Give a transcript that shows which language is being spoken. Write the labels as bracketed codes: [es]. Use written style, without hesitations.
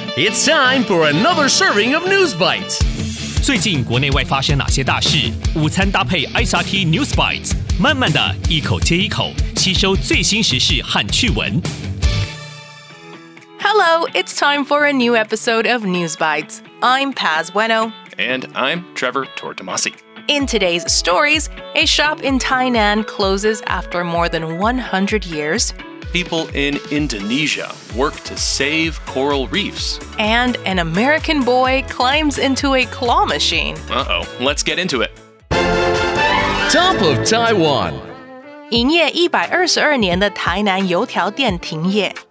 [en] It's time for another serving of News Bites. [zh] 最近国内外发生哪些大事？午餐搭配 SRT News Bites， 慢慢的一口接一口，吸收最新时事和趣闻。 [en] Hello, it's time for a new episode of News Bites. I'm Paz Bueno. And I'm Trevor Tortomasi. In today's stories, a shop in Tainan closes after more than 100 years. People in Indonesia work to save coral reefs. And an American boy climbs into a claw machine. Uh-oh, let's get into it. Top of Taiwan. [zh] 营业122年的台南油条店停业。